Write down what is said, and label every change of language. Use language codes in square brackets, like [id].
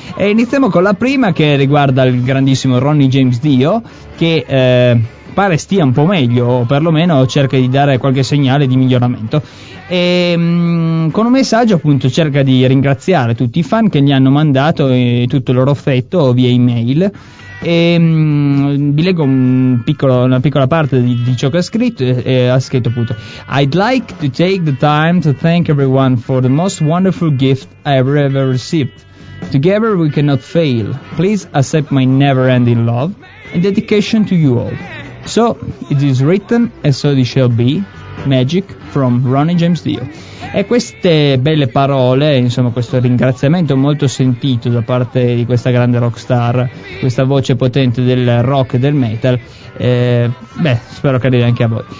[it] E iniziamo con la prima, che riguarda il grandissimo Ronnie James Dio, che pare stia un po' meglio, o perlomeno cerca di dare qualche segnale di miglioramento. E con un messaggio appunto cerca di ringraziare tutti i fan che gli hanno mandato tutto il loro affetto via email. E vi leggo una piccola parte di ciò che ha scritto. Ha scritto appunto: [en] I'd like to take the time to thank everyone for the most wonderful gift I've ever received. Together we cannot fail. Please accept my never ending love and dedication to you all. So it is written and so it shall be. Magic from Ronnie James Dio. [it] E queste belle parole, insomma questo ringraziamento molto sentito da parte di questa grande rockstar, questa voce potente del rock e del metal, spero che arrivi anche a voi.